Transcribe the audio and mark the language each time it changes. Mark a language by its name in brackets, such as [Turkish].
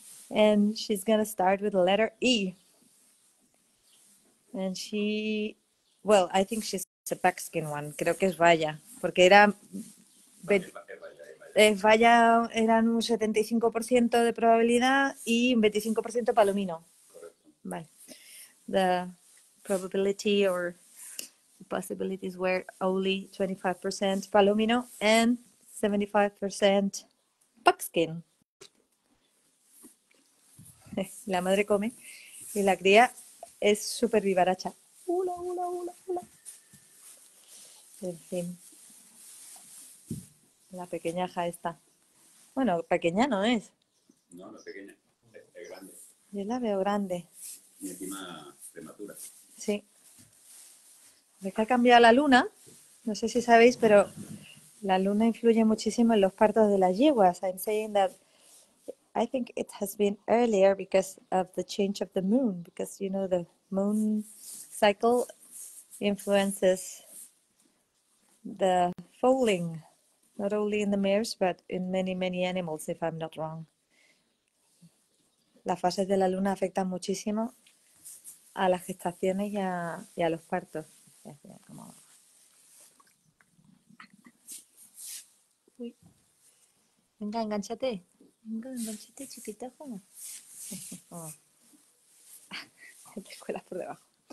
[English] And she's gonna start with the letter E. And she, well, I think she's a buckskin one. [Spanish] Creo que es valla. Porque era. Valla eran un 75% de probabilidad y un 25% palomino. Correcto. Vale. [English] The probability or the possibilities were only 25% palomino and 75% buckskin. [Spanish] La madre come y la cría es súper vivaracha. Hula, hula, hula, hula. En fin. La pequeñaja está. Bueno, pequeña no es. No, no es pequeña. Es grande. Yo la veo grande. Y encima. Sí. Me ha cambiado la luna. No sé si sabéis, pero la luna influye muchísimo en los partos de las yeguas. [English] I'm saying that I think it has been earlier because of the change of the moon, because you know the moon cycle influences the foaling, not only in the mares but in many many animals, if I'm not wrong. [Spanish] Las fases de la luna afectan muchísimo a las gestaciones y a los partos. Uy. Venga, enganchate. Venga, enganchate, chiquita. Oh. Te cuelas por debajo.